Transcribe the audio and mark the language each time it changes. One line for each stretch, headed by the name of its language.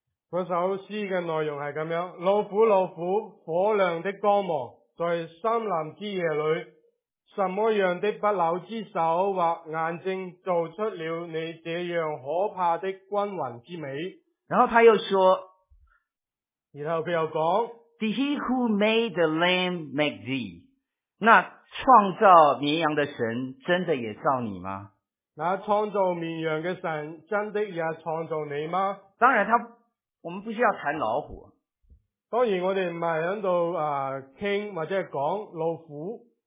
Chinese: 那首诗的内容是这样，老虎老虎，火亮的光芒，在森林之夜里，什么样的不朽之手或眼睛做出了你这样可怕的均匀之美？然后他又说，然后他又讲
English: ，Did he who made the lamb make thee？
Chinese: 那创造绵羊的神真的也造你吗？那创造绵羊的神真的也创造你吗？当然我们不需要谈老虎。当然我们不是在这里谈或者讲老虎。